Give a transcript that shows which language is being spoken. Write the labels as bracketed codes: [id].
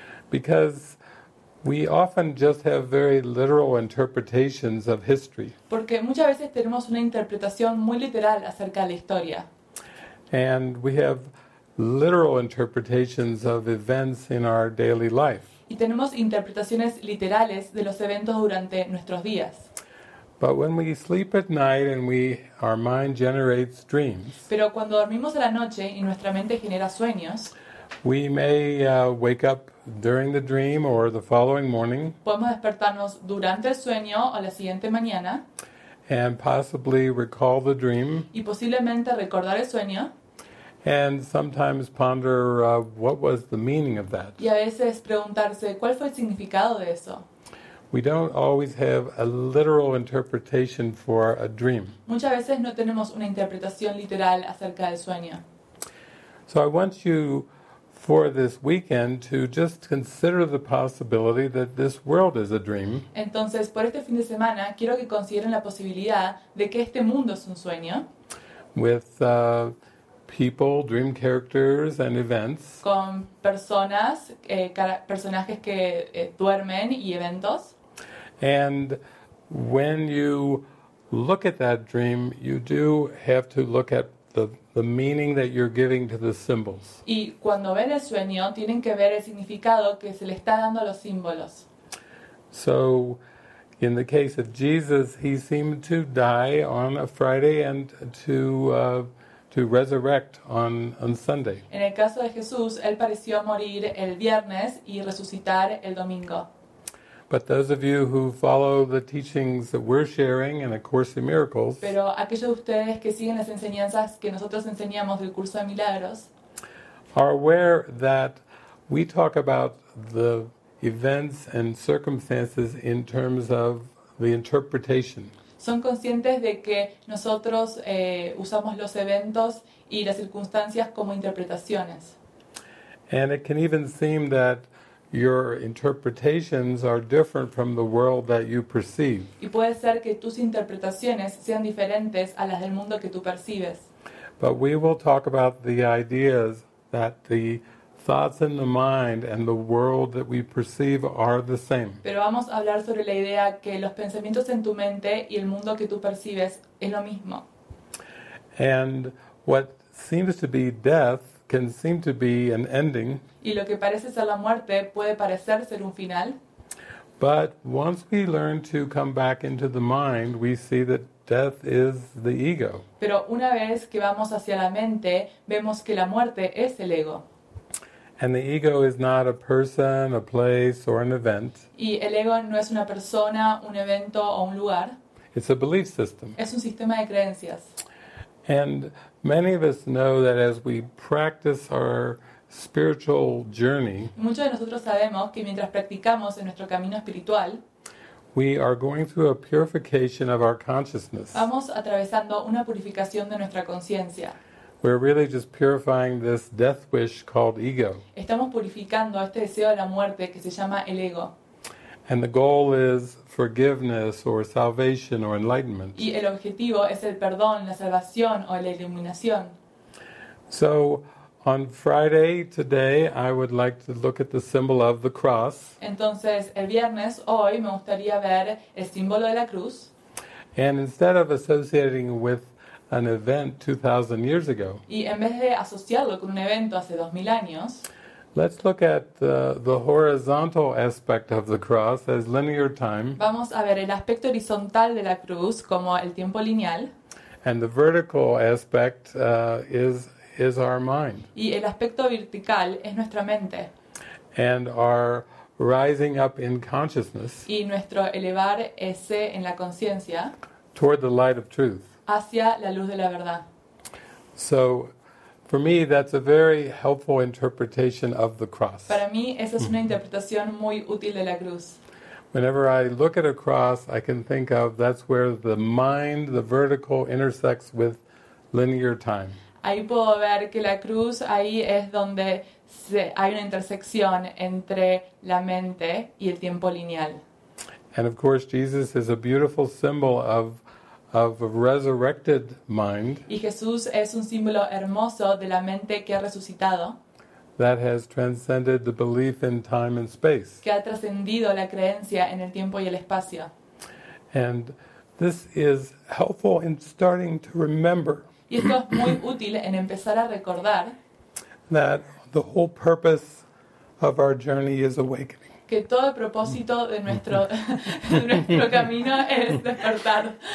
[en] Because we often just have very literal interpretations of history. [es] Porque muchas veces tenemos una interpretación muy literal acerca de la historia. [en] And we have literal interpretations of events in our daily life. [es] Y tenemos interpretaciones literales de los eventos durante nuestros días. [en] But when we sleep at night and our mind generates dreams. [es] Pero cuando dormimos a la noche y nuestra mente genera sueños. [en] We may wake up during the dream or the following morning. [es] Podemos despertarnos durante el sueño o la siguiente mañana. [en] And possibly recall the dream. [es] Y posiblemente recordar el sueño. [en] And sometimes ponder what was the meaning of that. [es] Y a veces preguntarse cuál fue el significado de eso. [en] We don't always have a literal interpretation for a dream. [es] Muchas veces no tenemos una interpretación literal acerca del sueño. [en] So I want you for this weekend to just consider the possibility that this world is a dream. [es] Entonces, por este fin de semana quiero que consideren la posibilidad de que este mundo es un sueño. [en] With people, dream characters, and events. [es] Con personas, personajes que duermen y eventos. [en] And when you look at that dream, you do have to look at the meaning that you're giving to the symbols. [es] Y cuando ven el sueño, tienen que ver el significado que se le está dando a los símbolos. [en] So, in the case of Jesus, he seemed to die on a Friday and to to resurrect on Sunday. [es] En el caso de Jesús, él pareció morir el viernes y resucitar el domingo. [en] But those of you who follow the teachings that we're sharing in A Course in Miracles, [es] pero aquellos de ustedes que siguen las enseñanzas que nosotros enseñamos del curso de milagros, [en] are aware that we talk about the events and circumstances in terms of the interpretation. [es] Son conscientes de que nosotros usamos los eventos y las circunstancias como interpretaciones. [en] And it can even seem that your interpretations are different from the world that you perceive. [es] Y puede ser que tus interpretaciones sean diferentes a las del mundo que tú percibes. [en] But we will talk about the ideas that the thoughts in the mind and the world that we perceive are the same. [es] Pero vamos a hablar sobre la idea que los pensamientos en tu mente y el mundo que tú percibes es lo mismo. [en] And what seems to be death can seem to be an ending. [es] Y lo que parece ser la muerte puede parecer ser un final. [en] But once we learn to come back into the mind, we see that death is the ego. [es] Pero una vez que vamos hacia la mente, vemos que la muerte es el ego. [en] And the ego is not a person, a place, or an event. [es] Y el ego no es una persona, un evento, o un lugar. [en] It's a belief system. [es] Es un sistema de creencias. [en] And many of us know that as we practice our spiritual journey, [es] muchos de nosotros sabemos que mientras practicamos en nuestro camino espiritual, [en] we are going through a purification of our consciousness. [es] Vamos atravesando una purificación de nuestra conciencia. [en] We're really just purifying this death wish called ego. [es] Estamos purificando este deseo de la muerte que se llama el ego. [en] And the goal is forgiveness or salvation or enlightenment. [es] Y el objetivo es el perdón, la salvación o la iluminación. [en] So on Friday today, I would like to look at the symbol of the cross. [es] Entonces, el viernes hoy me gustaría ver el símbolo de la cruz. [en] And instead of associating with an event 2,000 years ago, [es] y en vez de asociarlo con un evento hace 2,000 años, [en] let's look at the horizontal aspect of the cross as linear time. [es] Vamos a ver el aspecto horizontal de la cruz como el tiempo lineal. [en] And the vertical aspect is our mind. [es] Y el aspecto vertical es nuestra mente. [en] And our rising up in consciousness. [es] Y nuestro elevar ese en la conciencia. [en] Toward the light of truth. [es] Hacia la luz de la verdad. [en] So, for me, that's a very helpful interpretation of the cross. [es] Para mí, esa es una interpretación muy útil de la cruz. [en] Whenever I look at a cross, I can think of that's where the mind, the vertical, intersects with linear time. [es] Ahí puedo ver que la cruz, ahí es donde hay una intersección entre la mente y el tiempo lineal. [en] And of course, Jesus is a beautiful symbol of a resurrected mind. [es] Y Jesús es un símbolo hermoso de la mente que ha resucitado. [en] That has transcended the belief in time and space. [es] Que ha trascendido la creencia en el tiempo y el espacio. [en] And this is helpful in starting to remember. [es] Y esto es muy útil en empezar a recordar [en] that the whole purpose of our journey is awakening. [es] Que todo el propósito de nuestro camino es despertar.